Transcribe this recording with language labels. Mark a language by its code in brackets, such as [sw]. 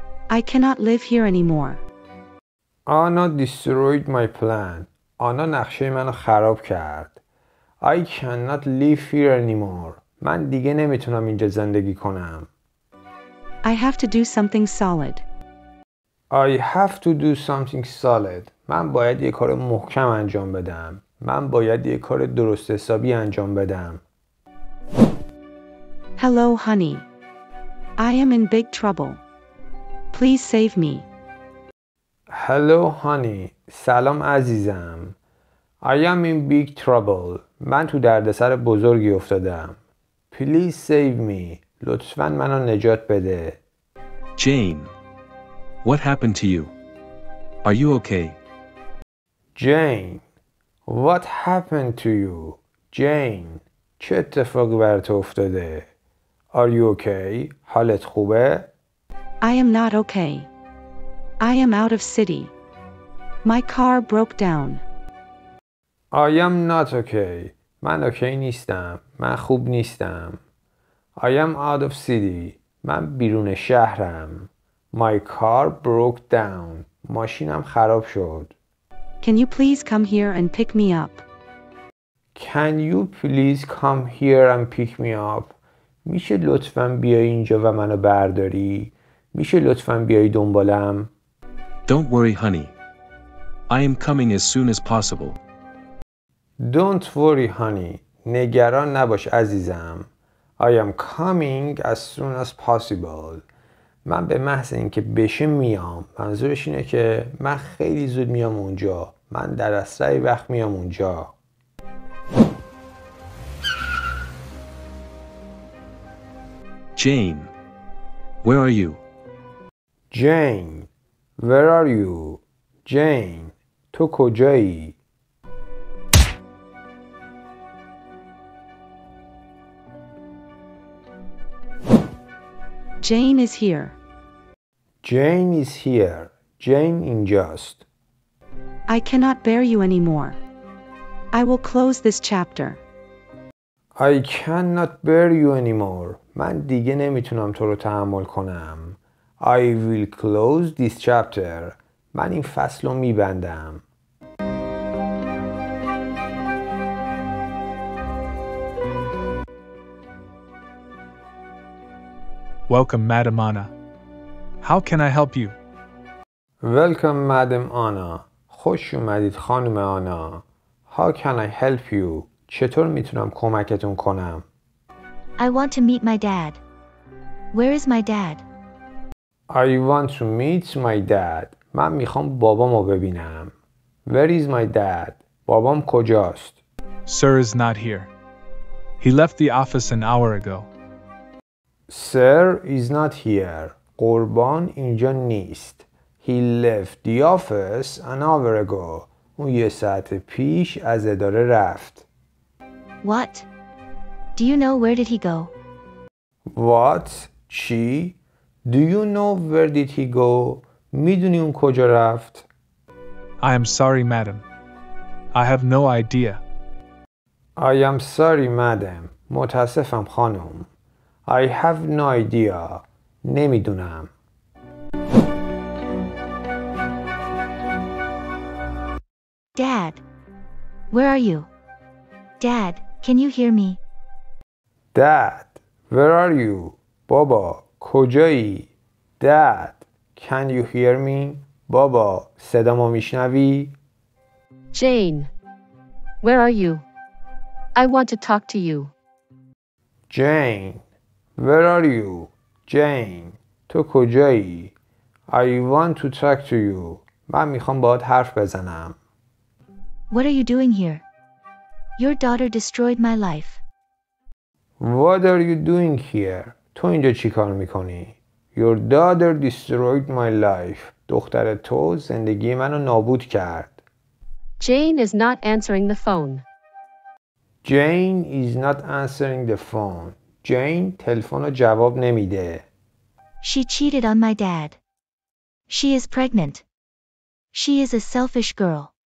[en] I cannot live here anymore. Anna destroyed my plan. [fa] Anna نقشه منو خراب کرد. [en] I cannot live here anymore. [fa] من دیگه نمیتونم اینجا زندگی کنم. [en] I have to do something solid. I have to do something solid. [fa] من باید یه کار محکم انجام بدم. من باید یه کار درست حسابی انجام بدم. [en] Hello, honey. I am in big trouble. Please save me. Hello, honey. [fa] سلام عزیزم. [en] I am in big trouble. [fa] من تو دردسر بزرگی افتادم. [en] Please save me. [fa] لطفاً منو نجات بده. [en] Jane, what happened to you? Are you okay? Jane, what happened to you? Jane, [fa] چه اتفاقی برات افتاده؟ [en] Are you okay? [fa] حالت خوبه؟ [en] I am not okay. I am out of city. My car broke down. I am not okay. [fa] من اوکی نیستم. من خوب نیستم. [en] I am out of city. [fa] من بیرون شهرم. [en] My car broke down. [fa] ماشینم خراب شد. [en] Can you please come here and pick me up? Can you please come here and pick me up? [fa] میشه لطفاً بیای اینجا و منو برداری؟ میشه لطفاً بیای دنبالم؟ [en] Don't worry, honey. I am coming as soon as possible. Don't worry, honey. [fa] نگران نباش عزیزم. [en] I am coming as soon as possible. [fa] من به محض اینکه بشه میام. منظورش اینه که من خیلی زود میام اونجا. من در اسرع وقت میام اونجا. [en] Jane, where are you? Jane, where are you? [fa] Jane, تو کجایی؟ [en] Jane is here. Jane is here. [fa] Jane اینجاست. [en] I cannot bear you anymore. I will close this chapter. I cannot bear you anymore. [fa] من دیگه نمیتونم تو رو تحمل کنم. [en] I will close this chapter. [fa] من این فصل رو میبندم. [en] Welcome, Madam Anna. How can I help you? Welcome, Madam Anna. [fa] خوش اومدید خانم آنا. [en] How can I help you? [fa] چطور میتونم کمکتون کنم؟ [en] I want to meet my dad. Where is my dad? I want to meet my dad. [fa] من میخوام بابامو ببینم. [en] Where is my dad? [fa] بابام کجاست؟ [en] Sir is not here. He left the office an hour ago. Sir is not here. [fa] قربان اینجا نیست. [en] He left the office an hour ago. [fa] اون یه ساعت پیش از اداره رفت. [en] What? Do you know where did he go? What? چی? Do you know where did he go? [fa] میدونی اون کجا رفت? [en] I am sorry, madam. I have no idea. I am sorry, madam. [fa] متاسفم خانم. [en] I have no idea. [fa] نمیدونم. [en] Dad, where are you? Dad, can you hear me? Dad, where are you? [fa] بابا, کجایی? [en] Dad, can you hear me? [fa] بابا, صدامو میشنوی? [en] Jane, where are you? I want to talk to you. Jane, where are you? [fa] Jane, تو کجایی? [en] I want to talk to you. [fa] من میخوام باهات حرف بزنم. [en] What are you doing here? Your daughter destroyed my life. What are you doing here? [fa] تو اینجا چی کار میکنی؟ [en] Your daughter destroyed my life. [fa] دختر تو زندگی منو نابود کرد. [en] Jane is not answering the phone. Jane is not answering the phone. [fa] جین تلفن رو جواب نمیده. [en] She cheated on my dad. She is pregnant. She is a selfish girl.